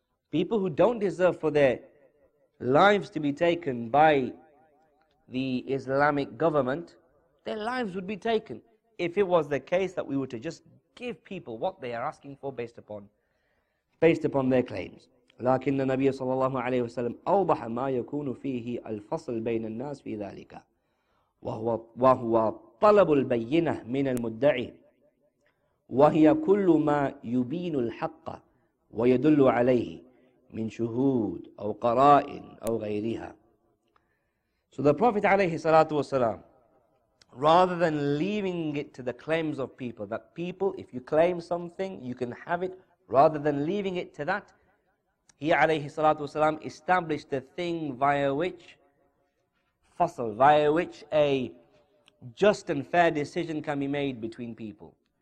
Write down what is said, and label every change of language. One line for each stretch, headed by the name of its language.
English: People who don't deserve for their lives to be taken by the Islamic government, their lives would be taken. If it was the case that we were to just give people what they are asking for based upon their claims.
Arabic: لكن النبي صلى الله عليه وسلم أوضح ما يكون فيه الفصل بين الناس في ذلك وهو طلب البينة من المدعي وهي كل ما يبين الحق ويدل عليه من شهود أو قرائن أو غيرها.
English: So the Prophet عليه الصلاة والسلام, rather than leaving it to the claims of people, that people, if you claim something, you can have it, rather than leaving it to that, he عليه الصلاة والسلام established the thing via which fasl, via which a just and fair decision can be made between people.